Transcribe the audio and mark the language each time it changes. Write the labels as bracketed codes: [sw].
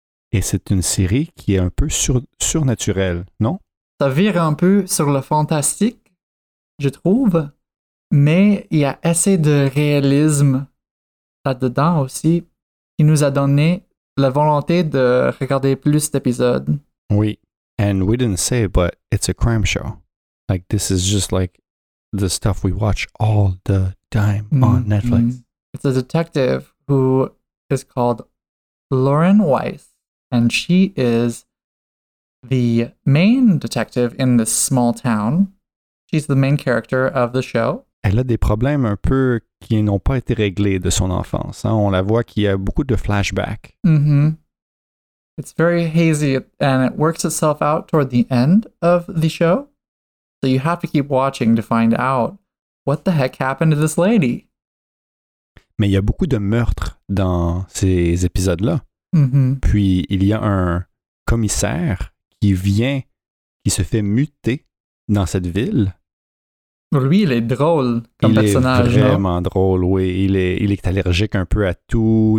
[fr] Et c'est une série qui est un peu surnaturelle, non? Ça vire un peu sur le fantastique, je trouve, mais il y a assez de réalisme là-dedans aussi qui nous a donné la volonté de regarder plus d'épisodes. [en] Oui, and we didn't say it, but it's a crime show. Like, this is just like the stuff we watch all the time on Netflix. It's a detective who is called Lauren Weiss, and she is the main detective in this small town. She's the main character of the show. [fr] Elle a des problèmes un peu qui n'ont pas été réglés de son enfance. Hein? On la voit qu'il y a beaucoup de flashbacks. Mm-hmm. [en] It's very hazy, and it works itself out toward the end of the show. So you have to keep watching to find out what the heck happened to this lady. [fr] Mais il y a beaucoup de meurtres dans ces épisodes-là. Mm-hmm. Puis il y a un commissaire qui vient, qui se fait muter dans cette ville. Lui, il est drôle comme il personnage. Il est vraiment drôle, oui. Il est allergique un peu à tout.